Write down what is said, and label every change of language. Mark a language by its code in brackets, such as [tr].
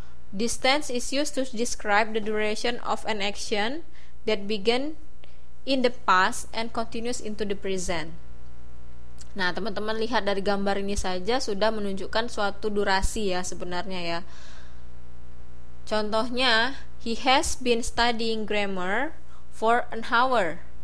[en] This tense is used to describe the duration of an action that began in the past and continues into the present. [id] Nah, teman-teman lihat dari gambar ini saja sudah menunjukkan suatu durasi ya sebenarnya ya. [en] Contohnya, he has been studying grammar for an hour.